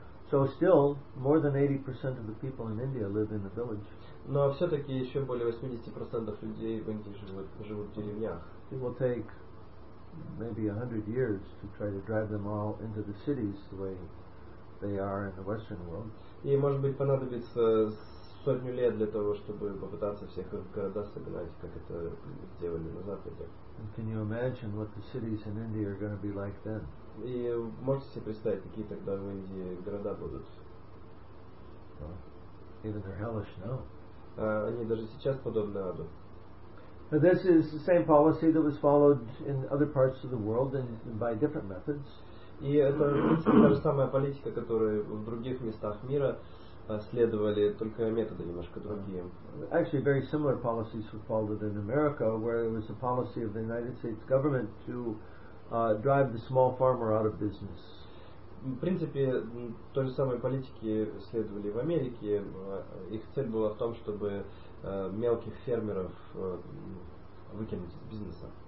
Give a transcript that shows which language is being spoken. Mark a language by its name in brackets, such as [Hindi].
[English] So still, more than 80% of the people in India live in the village. [Russian] Но все-таки еще более 80% людей в Индии живут в деревнях. [English] It will take maybe 100 years to try to drive them all into the cities the way they are in the Western world. [Russian] И может быть понадобится сотню лет для того, чтобы попытаться всех в города согнать, как это делали на Западе. [English] And can you imagine what the cities in India are going to be like then? [Russian] И можете себе представить, какие тогда в Индии города будут? [English] Even they're hellish now. [Russian] Они даже сейчас подобны аду. [English] But this is the same policy that was followed in other parts of the world and by different methods. [Russian] И это, в принципе, та же самая политика, которую в других местах мира следовали, только методы немножко другие. [English] Actually, very similar policies were followed in America, where it was the policy of the United States government to drive the small farmer out of business. [Russian] В принципе, той же самой политики следовали в Америке. Их цель была в том, чтобы мелких фермеров выкинуть из бизнеса.